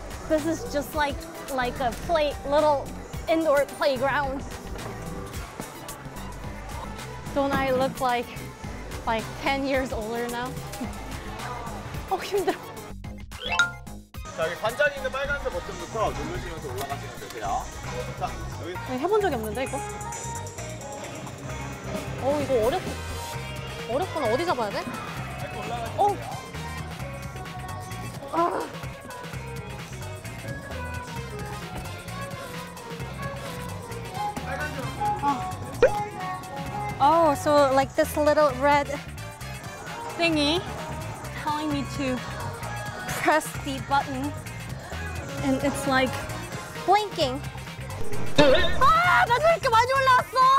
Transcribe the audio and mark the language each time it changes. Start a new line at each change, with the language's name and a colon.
English: This is just like a play, little indoor playground. Don't I look like 10 years older now? Oh,
Korean: 힘들어. 자, 여기 관절이 있는 빨간색 버튼부터 누르시면서 올라가시면 되세요. 자, 여기. 네, 해본 적이 없는데, 이거? 어, 이거 어렵구나. 어디 잡아야 돼? 이렇게 올라가시면 돼요. 아.
English: Oh, so like this little red thingy telling me to press the button and it's like blinking.
Korean: Ah, 나 왜 이렇게 많이 올라왔어?